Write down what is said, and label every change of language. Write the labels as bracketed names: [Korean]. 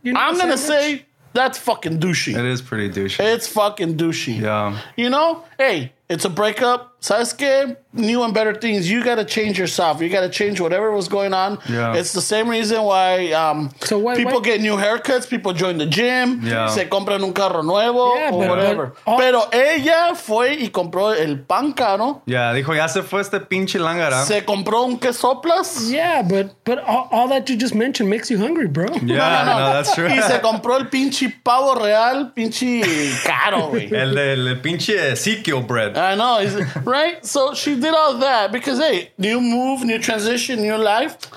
[English] You know I'm going to say that's fucking douchey. It is pretty douchey. It's fucking douchey. Yeah. You know? Hey, it's a breakup. [Spanish] ¿Sabes qué? [English] New and better things. You got to change yourself. You got to change whatever was going on. Yeah. It's the same reason why people get new haircuts. People join the gym. Yeah. [Spanish] Se compran un carro nuevo [English] or whatever. [Spanish] Pero ella fue y compró el pan caro. Yeah, dijo, ya se fue este pinche lángara. Se compró un quesoplas. [English] Yeah, but all that you just mentioned makes you hungry, bro. Yeah, no, that's true. [Spanish] Y se compró el pinche pavo real, pinche caro, güey. El pinche Ezekiel bread. [English] I know, right? So she did all that because, hey, new move, new transition, new life.